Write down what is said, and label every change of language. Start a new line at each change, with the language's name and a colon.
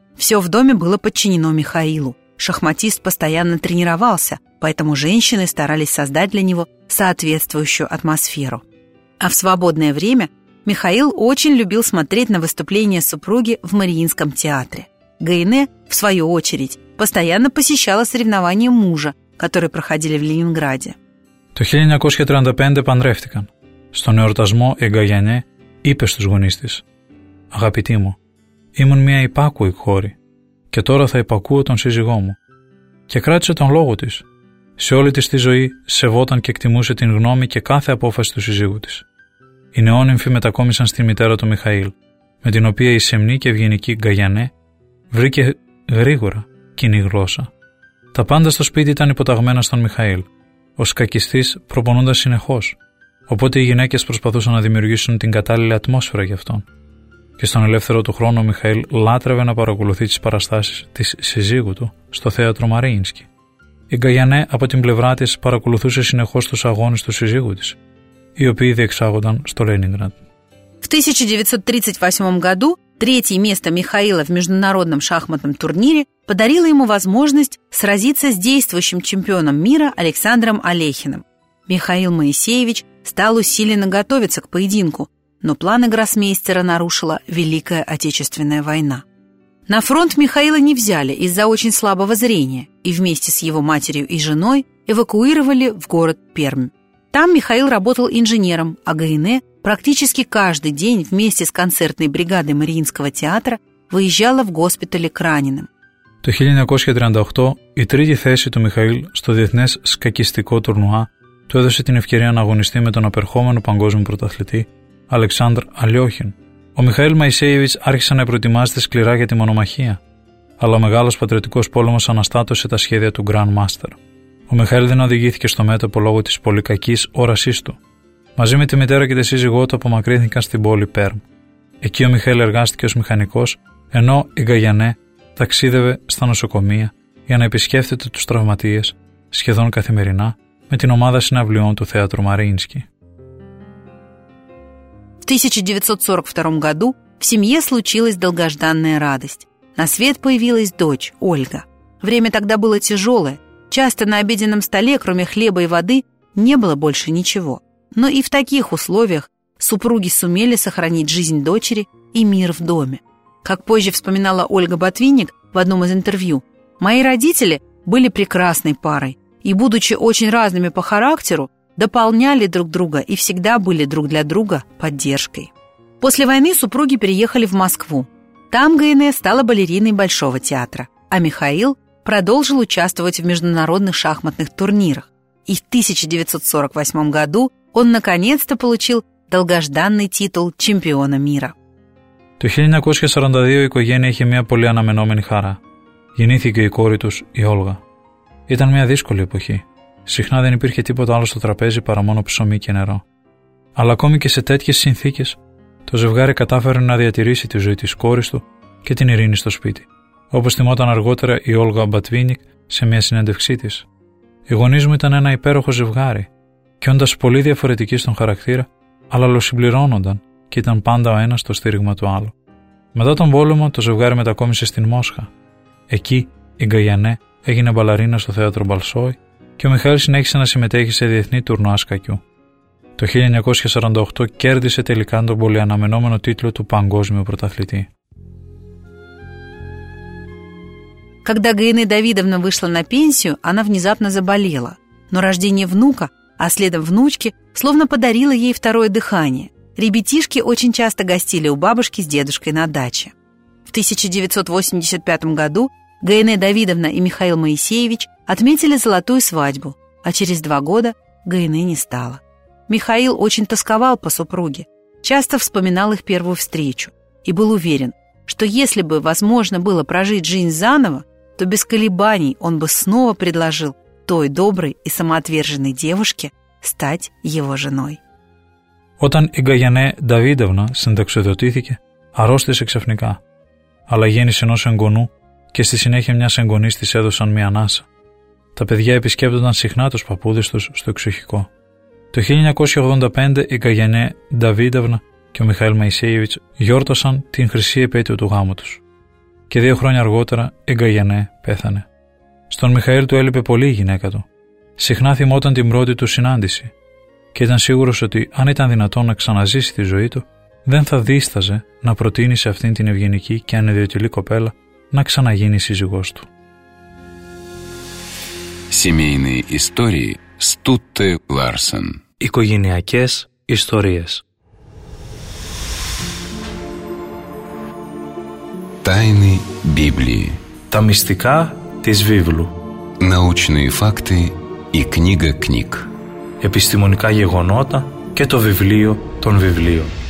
Russian: Все в доме было подчинено Михаилу. Шахматист постоянно тренировался, поэтому женщины старались создать для него соответствующую атмосферу. А в свободное время Михаил очень любил смотреть на выступления супруги в Мариинском театре. Гайне, в свою очередь, постоянно посещала соревнования мужа, которые проходили в Ленинграде.
Greek: Το 1935 παντρεύτηκαν. Στον εορτασμό η Γκαγιανέ είπε στους γονείς της: «Αγαπητοί μου, ήμουν μια υπάκουη κόρη και τώρα θα υπακούω τον σύζυγό μου». Και κράτησε τον λόγο της. Σε όλη της τη ζωή σεβόταν και εκτιμούσε την γνώμη και κάθε απόφαση του σύζυγου της. Οι νεόνυμφοι μετακόμισαν στη μητέρα του Μιχαήλ, με την οποία η σεμνή και ευγενική Γκαγιανέ βρήκε γρήγορα κοινή γλώσσα. Τα πάντα στο σπίτι ήταν υποταγμένα στον Μιχαήλ. Ο σκακιστής προπονούνταν συνεχώς, οπότε οι γυναίκες προσπαθούσαν να δημιουργήσουν την κατάλληλη ατμόσφαιρα για αυτόν. Και στον ελεύθερο του χρόνο ο Μιχαήλ λάτρευε να παρακολουθεί τις παραστάσεις της σύζυγου του στο θέατρο Μαρίινσκι. Η Γκαγιανέ από την πλευρά της παρακολουθούσε συνεχώς τους αγώνες του σύζυγου της, οι οποίοι διεξάγονταν στο Λένιγκραντ.
Russian: В 1938 году третье место Михаила в международном шахматном турнире подарило ему возможность сразиться с действующим чемпионом мира Александром Алехиным. Михаил Моисеевич стал усиленно готовиться к поединку, но планы гроссмейстера нарушила Великая Отечественная война. На фронт Михаила не взяли из-за очень слабого зрения и вместе с его матерью и женой эвакуировали в город Пермь. Там Михаил работал инженером, а Гайне практически каждый день вместе с концертной бригадой Мариинского театра выезжала в госпитале к раненым.
Greek: Το 1938 η τρίτη θέση του Μιχαήλ στο διεθνές σκακιστικό τουρνουά του έδωσε την ευκαιρία να αγωνιστεί με τον απερχόμενο παγκόσμιο πρωταθλητή Αλεξάνδρ Αλιόχιν. Ο Μιχαήλ Μαϊσέιβιτς άρχισε να προετοιμάζεται σκληρά για τη μονομαχία, αλλά ο μεγάλος πατριωτικός πόλεμος αναστάτωσε τα σχέδια του Grand Master. Ο Μιχαήλ δεν οδηγήθηκε στο μέτωπο λόγω της πολύ κακής όρασής του. Μαζί με τη μητέρα και τη σύζυγό του απομακρύνθηκαν στην πόλη Πέρμ. Εκεί ο Μιχαήλ εργάστηκε ως μηχανικός, ενώ η Γκαγιανέ ταξίδευε στα νοσοκομεία για να επισκέφτεται τους τραυματίες σχεδόν καθημερινά με την ομάδα συναυλιών του θέατρου Μαρίινσκι.
Russian: В 1942 году в семье случилась долгожданная радость. На свет появилась дочь, Ольга. Время тогда было тяжелое. Часто на обеденном столе, кроме хлеба и воды, не было больше ничего. Но и в таких условиях супруги сумели сохранить жизнь дочери и мир в доме. Как позже вспоминала Ольга Ботвинник в одном из интервью, «Мои родители были прекрасной парой и, будучи очень разными по характеру, дополняли друг друга и всегда были друг для друга поддержкой». После войны супруги переехали в Москву. Там Гайне стала балериной Большого театра, а Михаил продолжил участвовать в международных шахматных турнирах. И в 1948 году он наконец-то получил долгожданный титул чемпиона мира.
Greek: Το 1942 η οικογένεια είχε μια πολύ αναμενόμενη χαρά. Γεννήθηκε η κόρη τους, η Όλγα. Ήταν μια δύσκολη εποχή. Συχνά δεν υπήρχε τίποτα άλλο στο τραπέζι παρά μόνο ψωμί και νερό. Αλλά ακόμη και σε τέτοιες συνθήκες, το ζευγάρι κατάφερε να διατηρήσει τη ζωή της κόρης του και την ειρήνη στο σπίτι. Όπως θυμόταν αργότερα η Όλγα Μπατβίνικ σε μια συνέντευξή της. Οι γονείς μου ήταν ένα υπέροχο ζευγάρι, και όντας πολύ διαφορετικοί στον χαρακτήρα, αλλά αλλοσυμπληρώνονταν. Και ήταν πάντα ο ένας στο στήριγμα του άλλου. Μετά τον πόλεμο, το ζευγάρι μετακόμισε στην Μόσχα. Εκεί, η Γκαγιανέ έγινε μπαλαρίνα στο θέατρο Μπαλσόι και ο Μιχάλης συνέχισε να συμμετέχει σε διεθνή τουρνουά σκακιού. Το 1948 κέρδισε τελικά τον πολύ αναμενόμενο τίτλο του Παγκόσμιου Πρωταθλητή.
Russian: Когда Гайне Давидовна вышла на пенсию, она внезапно заболела. Но рождение внука, а следом внучки, словно подарило ей второе дыхание. Ребятишки очень часто гостили у бабушки с дедушкой на даче. В 1985 году Гайне Давидовна и Михаил Моисеевич отметили золотую свадьбу, а через два года Гайне не стало. Михаил очень тосковал по супруге, часто вспоминал их первую встречу и был уверен, что если бы возможно было прожить жизнь заново, то без колебаний он бы снова предложил той доброй и самоотверженной девушке стать его женой.
Greek: Όταν η Γκαγιανέ Νταβίδευνα συνταξιδοτήθηκε, αρρώστησε ξαφνικά. Αλλά γέννησε ενός εγγονού και στη συνέχεια μιας εγγονής της έδωσαν μια ανάσα. Τα παιδιά επισκέπτονταν συχνά τους παππούδες τους στο εξοχικό. Το 1985 η Γκαγιανέ Νταβίδευνα και ο Μιχαήλ Μαϊσέιβιτς γιόρτασαν την χρυσή επέτειο του γάμου τους. Και δύο χρόνια αργότερα η Γκαγιανέ πέθανε. Στον Μιχαήλ του έλειπε πολύ η γυναίκα του. Συχνά θυμόταν την πρώτη του συνάντηση. Και ήταν σίγουρος ότι αν ήταν δυνατόν να ξαναζήσει τη ζωή του, δεν θα δίσταζε να προτείνει σε αυτήν την ευγενική και ανιδιωτική κοπέλα να ξαναγίνει σύζυγός του.
Russian: Семейные истории Стутте Ларсен.
Greek: Οικογενειακές ιστορίες.
Russian: Тайны Библии.
Greek: Τα μυστικά της Βίβλου.
Russian: Научные факты и книга книг.
Greek: Επιστημονικά γεγονότα και το βιβλίο των βιβλίων.